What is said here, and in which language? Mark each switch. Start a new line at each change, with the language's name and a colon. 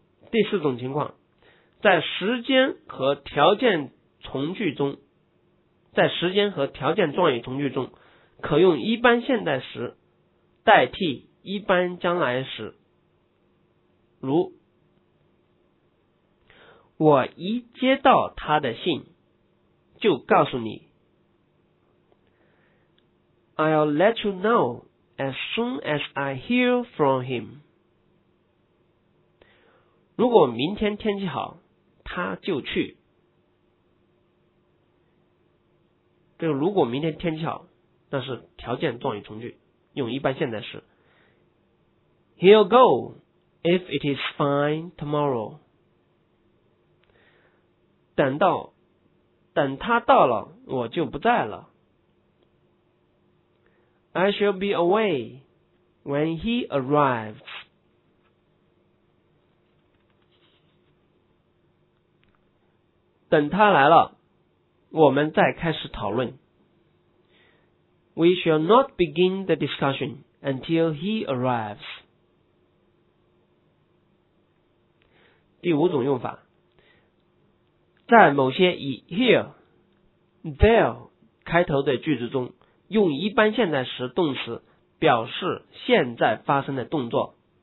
Chinese: 第四种情况，在时间和条件从句中，在时间和条件状语从句中，可用一般现在时代替一般将来时，如我一接到他的信就告诉你。
English: I'll let you know as soon as I hear from him.
Chinese: 如果明天天气好，他就去。这个如果明天天气好，那是条件状语从句，用一般现在时。
English: He'll go if it is fine tomorrow.
Chinese: 等他到了，我就不在了。
English: I shall be away when he arrives.
Chinese: 等他来了，我们再开始讨论。
English: We shall not begin the discussion until he arrives.
Chinese: 第五种用法，在某些以 here, there 开头的句子中，用一般现在时动词表示现在发生的动作。